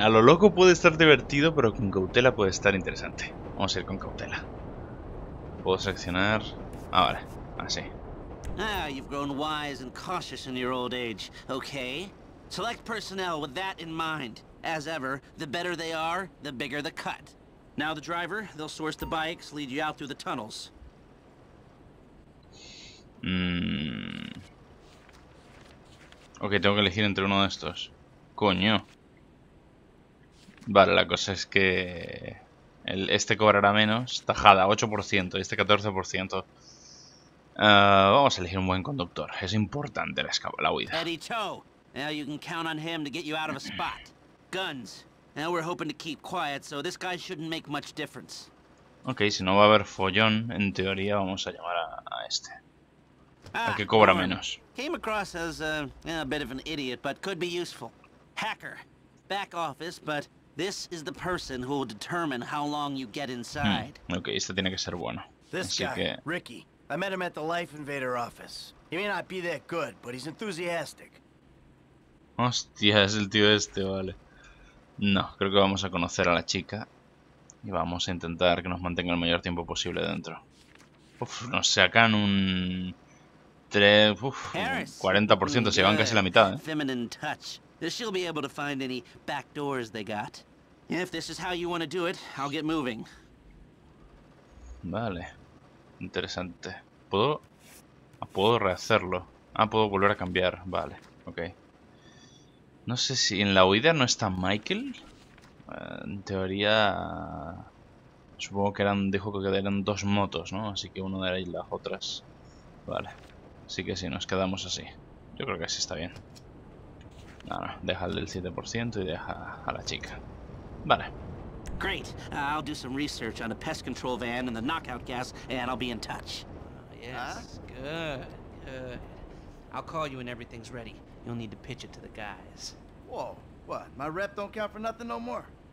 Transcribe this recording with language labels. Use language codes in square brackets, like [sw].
[es] A lo loco puede estar divertido, pero con cautela puede estar interesante. Vamos a ir con cautela. Puedo seleccionar. Ah, vale. Así. [en] Ah, you've grown wise and cautious in your old age, okay? Select personnel with that in mind. As ever, the better they are, the bigger the cut. Now the driver, they'll source the bikes, lead you out through the tunnels. [es] Okay, tengo que elegir entre uno de estos. Coño. Vale, la cosa es que... este cobrará menos. Tajada, 8%. Y este 14%. Vamos a elegir un buen conductor. Es importante la huida. [en] Eddie Toe. Now you can count on him to get you out of a spot. Guns. Now we're hoping to keep quiet, so this guy shouldn't make much difference. [es] Okay, si no va a haber follón, en teoría vamos a llamar a este. Ah, a que cobra menos. [en] Came across as a bit of an idiot, but could be useful. Hacker. Back office, but this is the person who will determine how long you get inside. [es] Okay, este tiene que ser bueno. [en] This [es] Así [en] guy, [es] que... [en] Ricky. I met him at the Life Invader office. He may not be that good, but he's enthusiastic. [es] Hostia, es el tío este, vale. No, creo que vamos a conocer a la chica. Y vamos a intentar que nos mantenga el mayor tiempo posible dentro. Uf, nos sacan un... 3... Uf, Harris, 40%, se van casi la mitad, ¿eh? [en] Feminine touch. She'll be able to find any back doors they got. If this is how you want to do it, I'll get moving. [es] Vale. Interesante. ¿Puedo? ¿Puedo rehacerlo? Ah, puedo volver a cambiar. Vale, ok. No sé si en la huida no está Michael. En teoría... Supongo que eran, dijo que eran dos motos, ¿no? Así que uno de ahí y las otras. Vale. Así que sí, nos quedamos así. Yo creo que así está bien. No, no, deja el del 7% y deja a la chica. Vale. [en] Great. I'll do some research on a pest control van and the knockout gas, and I'll be in touch. Yes, good, good. I'll call you when everything's ready. You'll need to pitch it to the guys. Whoa, what? My rep don't count for nothing no more?